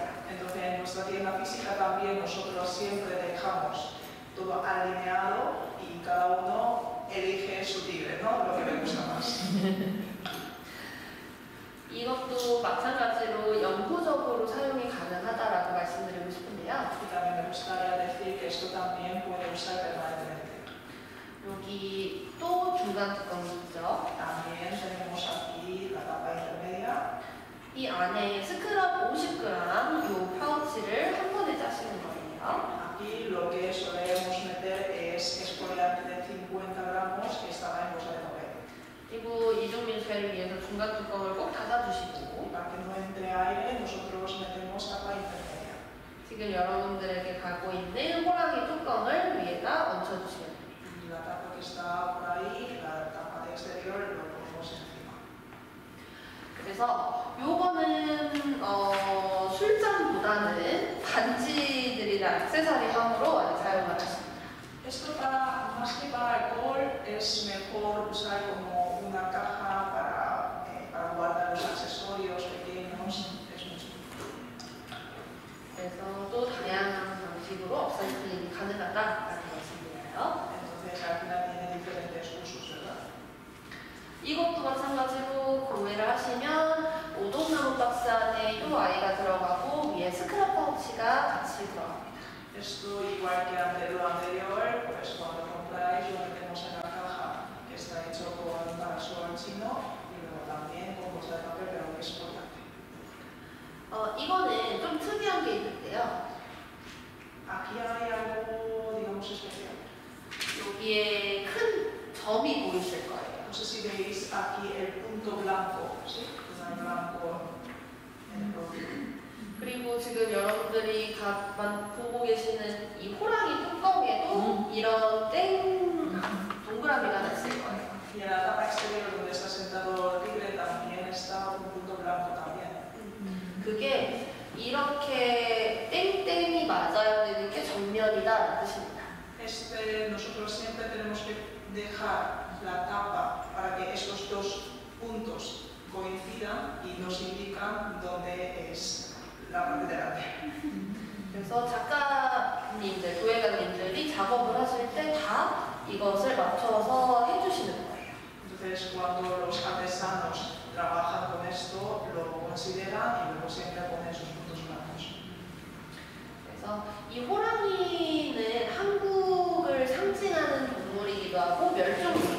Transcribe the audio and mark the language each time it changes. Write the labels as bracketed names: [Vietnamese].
[Spanish] Entonces en nuestra tienda física también nosotros siempre dejamos todo alineado y cada uno elige su tigre, ¿no? Lo que le gusta más. [Korean] 이것도 마찬가지로 영구적으로 사용이 가능하다라고 말씀드리고 싶은데요. [Spanish] Y también me gustaría decir que esto también puede usar permanentemente. [Korean] 여기 또 중간 뚜껑이 있죠. [Spanish] También tenemos aquí la tapa intermedia. [Korean] 이 안에 스크럽 50g 이 파우치를 한 번에 짜시는 거예요. [Spanish] Aquí lo que solemos meter es exfoliante de 50g que estaba en bolsa de papel. [Korean] 그리고 이중민쇄를 위해서 중간 뚜껑을 꼭 닫아주시고 [Spanish] Para que no entre aire, nosotros metemos tapa intermedia. [Korean] 지금 여러분들에게 갖고 있는 호랑이 뚜껑을 위에다 얹혀주시면 됩니다. [Spanish] La tapa que está por ahí, la tapa de exterior, lo ponemos en [Korean] 그래서 요거는 술잔보다는 반지들이나 액세서리함으로 많이 사용을 하십니다. [Spanish] Esto para más que para alcohol es mejor usar como una caja para guardar los accesorios pequeños. Es mucho. [Korean] 그래서 또 다양한 방식으로 업사이클링이 가능하다라는 말씀이에요. [Spanish] Entonces al final tiene diferentes usos, ¿verdad? [Korean] 이것도 마찬가지로 구매를 하시면 오동나무 박스 안에 요 아이가 들어가고 위에 스크랩 파우치가 같이 들어갑니다. [Spanish] Esto igual que anterior, pues cuando compráis lo metemos en la caja que está hecho con parasol chino y luego también con bolsa de papel, pero que es importante. [Korean] 이거는 좀 특이한 게 있는데요. [Spanish] Aquí hay algo, digamos, especial. [Korean] 여기에 큰 점이 보이실 거예요. [Spanish] No sé si veis aquí el punto blanco, ¿sí? El blanco en el rojo. [Korean] 그리고 지금 여러분들이 보고 계시는 이 호랑이 뚜껑에도 이런 동그라미가 나 있을 거예요. [Spanish] Y en la tapa exterior donde está sentado el tigre también está un punto blanco también. [Korean] 그게 이렇게 땡땡이 맞아야 되는 게 정면이다 라는 뜻입니다. [Spanish] Este, nosotros siempre tenemos que dejar la tapa para que estos dos puntos coincidan y nos indican dónde es la parte delante. [Korean] 그래서 작가님들, 도예가님들이 작업을 하실 때 다 이것을 맞춰서 해주시는 거예요. [Spanish] Entonces cuando los artesanos trabajan con esto, lo consideran y luego siempre ponen sus puntos blancos. [Korean] 그래서 이 호랑이는 한국을 상징하는 동물이기도 하고 멸종